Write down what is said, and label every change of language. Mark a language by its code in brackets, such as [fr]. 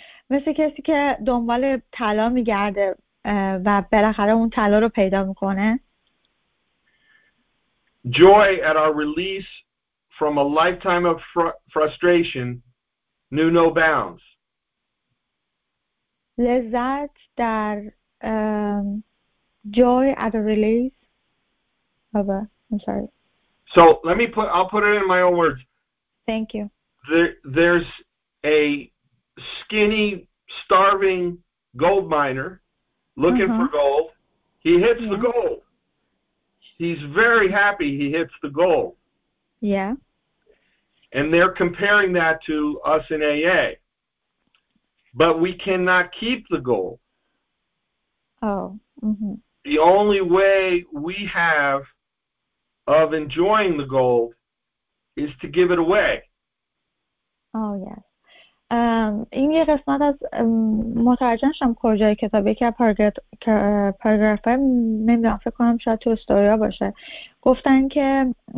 [fa] مثل کسی که دنبال طلا میگرده و بالاخره اون طلا رو پیدا میکنه. [en] Joy at our release from a lifetime of frustration knew no bounds. [fa] لذت در [en] joy at a release. Baba, I'm sorry. So let me put, I'll put it in my own words. Thank you. There's a skinny, starving gold miner looking for gold. He hits the gold. He's very happy he hits the gold. Yeah. And they're comparing that to us in AA. But we cannot keep the gold. Oh. Mm-hmm. The only way we have of enjoying the gold is to give it away. Oh, yes. [fa] این یه قسمت از مترجم شم کجای کتاب یکی پاراگراف های نمیدونم فکر کنم شاید تو استوریا باشه گفتن که